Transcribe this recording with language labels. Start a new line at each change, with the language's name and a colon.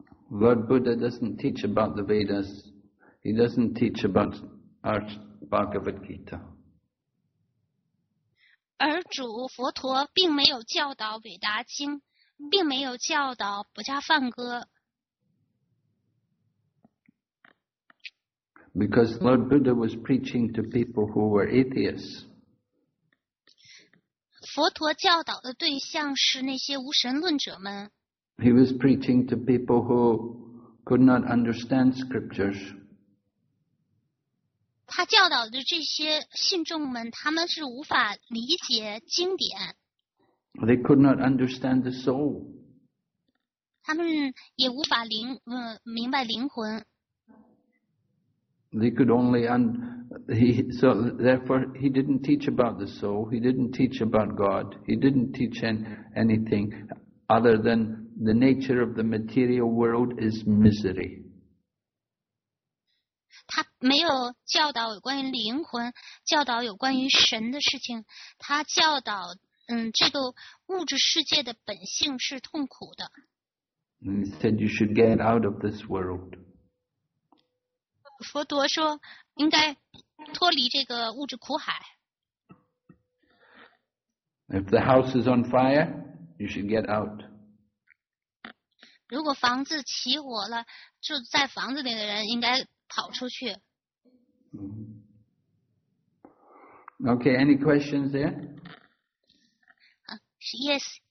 English: Lord Buddha doesn't teach about the Vedas. He doesn't teach about our Bhagavad Gita.
Chinese: 而主佛陀并没有教导韦达经，并没有教导佛家梵歌。
English: Because Lord Buddha was preaching to people who were atheists.
Chinese: 佛陀教导的对象是那些无神论者们。
English: He was preaching to people who could not understand scriptures.
Chinese: 他教导的这些信众们，他们是无法理解经典。
English: They could not understand the soul.
Chinese: 他们也无法明白灵魂。
English: They could only so therefore he didn't teach about the soul, he didn't teach about God, he didn't teach anything other than the nature of the material world is misery.
Chinese: 他没有教导有关于灵魂，教导有关于神的事情，他教导这个物质世界的本性是痛苦的。
English: He said you should get out of this world.
Chinese: 佛陀说应该脱离这个物质苦海。
English: If the house is on fire, you should get out.
Chinese: 如果房子起火了，住在房子里的人应该跑出去。
English: Okay, any questions there? Yes.